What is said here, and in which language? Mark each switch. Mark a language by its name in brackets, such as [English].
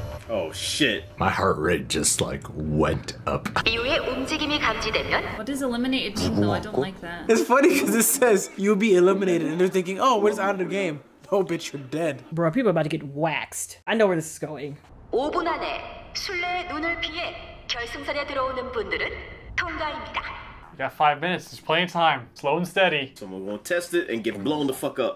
[English] Oh shit. My heart rate just like went up. What is eliminated team though? I don't like that. It's funny because it says you'll be eliminated and they're thinking, oh, we're just out of the game. Oh bitch, you're dead. Bro, people are about to get waxed. I know where this is going. [Korean] 5분 안에 술래 눈을 피해 결승선에 들어오는 분들은 통과입니다. [English] We got 5 minutes, it's playing time. Slow and steady. Someone gonna test it and get blown the fuck up.